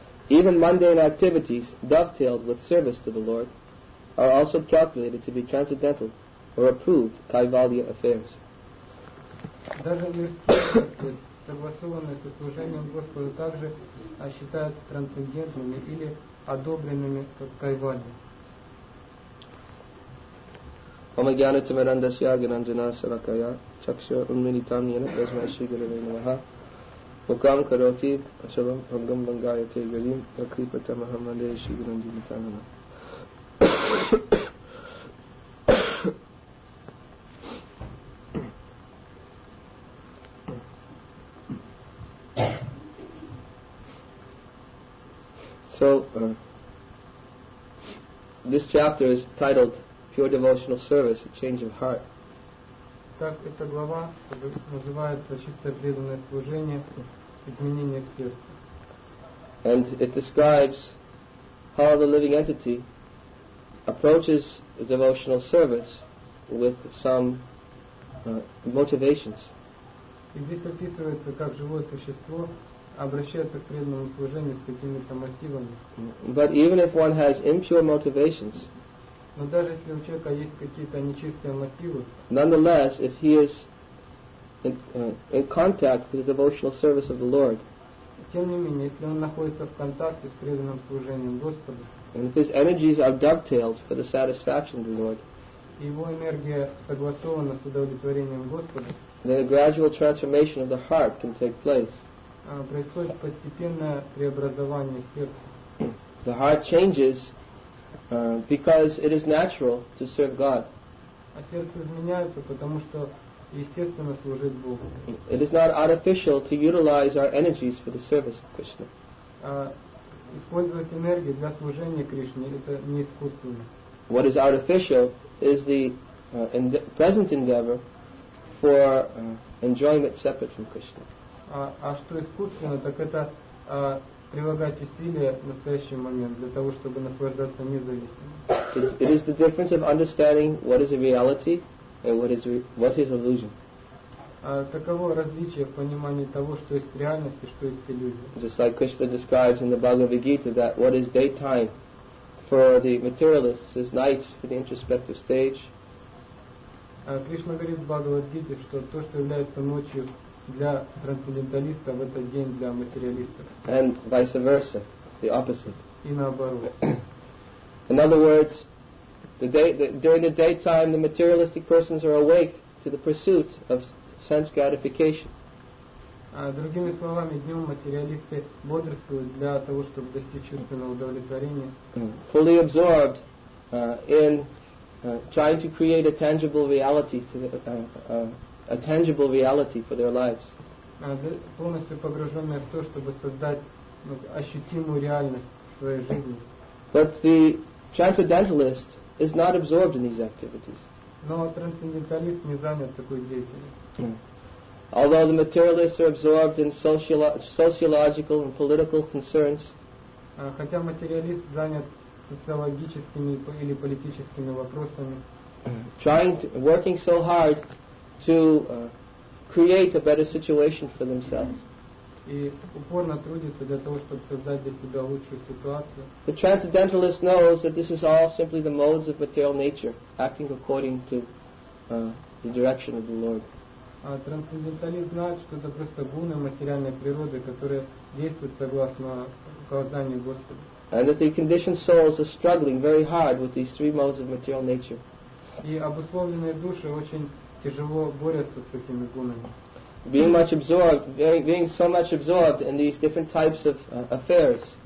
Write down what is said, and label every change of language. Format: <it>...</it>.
<en>Even mundane activities dovetailed with service to the Lord are also calculated to be transcendental or approved kaivalya affairs.</en> <ru>Даже мирские действия, согласованные со служением Господу, также считаются трансцендентными или одобренными как кайвалья.</ru> <sa>Om Jnana Tamaranda Syaganandana Sarakaya Chakshur Unminitam Yena Prasma Shigarave Namaha Mukam Karoti Achavam Pangam Bangayate Garim Akripata Mahamande Shigarandi</sa> <en>Nitanana So, this chapter is titled Pure devotional service, a change of heart.</en> <ru>Так эта глава называется чистое преданное служение, изменение сердца.</ru> <en>And it describes how the living entity approaches devotional service with some motivations.</en> <ru>И здесь описывается, как живое существо обращается к преданному служению с какими-то мотивами.</ru> <en>But even if one has impure motivations.</en> <ru>Но даже если у человека есть какие-то нечистые мотивы,</ru> <en>nonetheless, if he is in contact with the devotional service of the Lord,</en> <ru>тем не менее, если он находится в контакте с преданным служением Господа,</ru> <en>and if his energies are dovetailed for the satisfaction of the Lord,</en> <ru>его энергия согласована с удовлетворением Господа,</ru> <en>then a gradual transformation of the heart can take place.</en> <ru>Происходит постепенное преобразование сердца.</ru> <en>The heart changes. Because it is natural to serve God.</en> <ru>А сердце изменяется, потому что естественно служить Богу.</ru> <en>It is not artificial to utilize our energies for the service of Krishna.</en> <ru>Использовать энергию для служения Кришне это не искусственно.</ru> <en>What is artificial is the present endeavor for enjoyment separate from Krishna.</en> <ru>А что искусственно, так это прилагать усилия в настоящий момент для того, чтобы наслаждаться независимым.</ru> <en>It is the difference of understanding what is a reality and what is illusion.</en> <ru>Каково различие в понимании того, что есть реальность и что есть иллюзия?</ru> <en>Just like Krishna describes in the Bhagavad Gita that what is daytime for the materialists is night for the introspective stage.</en> <ru>Кришна говорит в Бхагавад Гите, что то, что является ночью для трансценденталиста, в этот день для материалистов.</ru> <en>And vice versa, the opposite.</en> <ru>И наоборот.</ru> <en>In other words, during the daytime, the materialistic persons are awake to the pursuit of sense gratification.</en> <ru>Другими словами, днем материалисты бодрствуют для того, чтобы достичь чувственного удовлетворения.</ru> <en>Fully absorbed in trying to create a tangible reality to a tangible reality for their lives.</en> <ru>Полностью погруженные в то, чтобы создать ощутимую реальность в своей жизни.</ru> <en>But the transcendentalist is not absorbed in these activities.</en> <ru>Но трансценденталист не занят такой деятельностью.</ru> <en>Although the materialists are absorbed in sociological and political concerns,</en> <ru>хотя материалист занят социологическими или политическими вопросами,</ru> <en>working so hard to create a better situation for themselves.</en> <ru>И упорно трудится для того, чтобы создать для себя лучшую ситуацию.</ru> <en>The transcendentalist knows that this is all simply the modes of material nature acting according to the direction of the Lord.</en> <ru>А трансценденталист знает, что это просто гуны материальной природы, которые действуют согласно указанию Господа.</ru> <en>And that the conditioned souls are struggling very hard with these three modes of material nature.</en> <ru>И обусловленные души очень тяжело борются с этими гунами.</ru> <en>Being so much absorbed in these different types of affairs.</en>